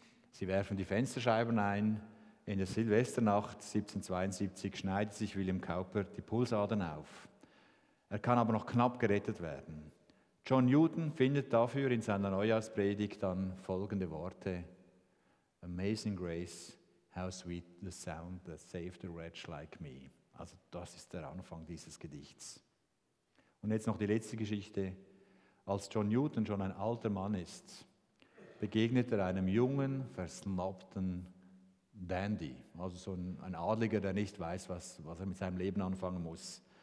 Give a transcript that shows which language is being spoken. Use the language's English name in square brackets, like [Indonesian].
[German] Sie werfen die Fensterscheiben ein. In der Silvesternacht 1772 schneidet sich William Cowper die Pulsadern auf. Er kann aber noch knapp gerettet werden. John Newton findet dafür in seiner Neujahrspredigt dann folgende Worte. [English] Amazing Grace, how sweet the sound that saved a wretch like me. [German] Also das ist der Anfang dieses Gedichts. Und jetzt noch die letzte Geschichte. Als John Newton schon ein alter Mann ist, begegnet er einem jungen, versnobten Dandy. Also so ein Adliger, der nicht weiß, was er mit seinem Leben anfangen muss.